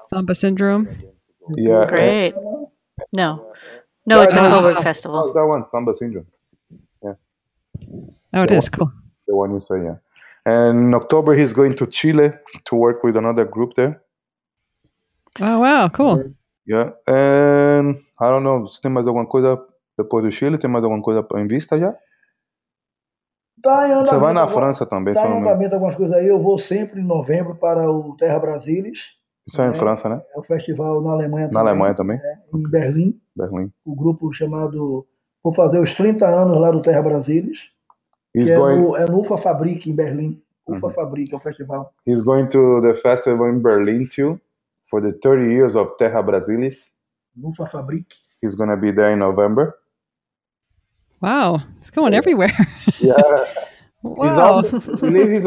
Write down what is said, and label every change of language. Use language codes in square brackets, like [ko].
[en] Samba Syndrome. Yeah. Great. No. No, it's the Coburg Festival. Oh, that one, Samba Syndrome. Oh, it is cool. The one you say, yeah. And in October, he's going to Chile to work with another group there. Oh, wow, cool. Yeah, and I don't know, [pt] se tem mais alguma coisa depois do Chile? Tem mais alguma coisa em vista já? Tá, você vai na França também, tá, se não me algumas coisas aí. Eu vou sempre em novembro para o Terra Brasilis. Isso é em França, né? É o festival na Alemanha também. Na Alemanha também? Em Berlim. Berlim. O grupo chamado... Vou fazer os 30 anos lá do Terra Brasilis. [en] He's [pt] No Ufa Fabrik [en] in Berlin. [pt] Ufa Fabrik, o festival. [en] He's going to the festival in Berlin too for the 30 years of Terra Brasilis. Ufa Fabrik. He's going to be there in November. Wow, it's going everywhere. Yeah. Wow. I believe he's